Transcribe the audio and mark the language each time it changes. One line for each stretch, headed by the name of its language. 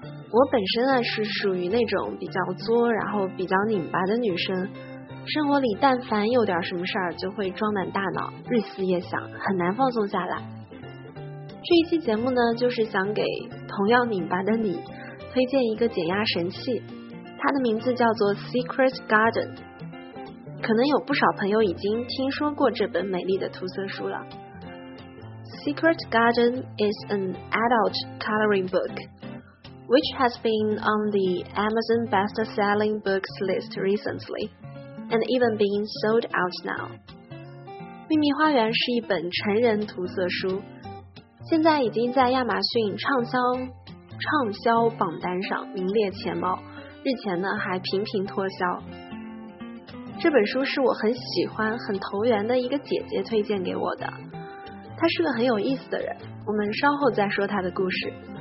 Chinese: 我本身呢是属于那种比较作然后比较拧巴的女生，生活里但凡有点什么事儿，就会装满大脑，日思夜想，很难放松下来。这一期节目呢，就是想给同样拧巴的你推荐一个减压神器，它的名字叫做 Secret Garden。可能有不少朋友已经听说过这本美丽的图册书了。
English: Secret Garden is an adult coloring bookwhich has been on the Amazon best-selling books list recently, and even being sold out now.
Chinese: 秘密花园是一本成人涂色书，现在已经在亚马逊畅销榜单上名列前茅，日前呢还频频脱销。这本书是我很喜欢、很投缘的一个姐姐推荐给我的，她是个很有意思的人，我们稍后再说她的故事。